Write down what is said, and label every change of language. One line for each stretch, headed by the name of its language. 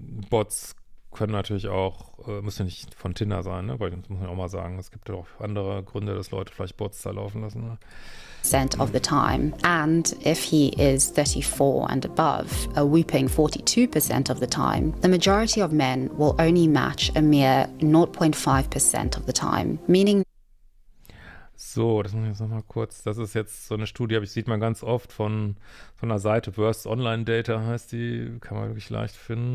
German: Bots können natürlich auch, müssen ja nicht von Tinder sein, ne? Weil das muss man auch mal sagen, es gibt ja auch andere Gründe, dass Leute vielleicht Bots da laufen lassen.
English: Percent of the time. And if he is 34 and above, a whooping 42% of the time, the majority of men will only match a mere 0.5% of the time. Meaning.
German: So, das muss ich jetzt nochmal kurz, das ist jetzt so eine Studie, aber ich sieht man ganz oft von einer Seite, Worst Online Data heißt die, kann man wirklich leicht finden.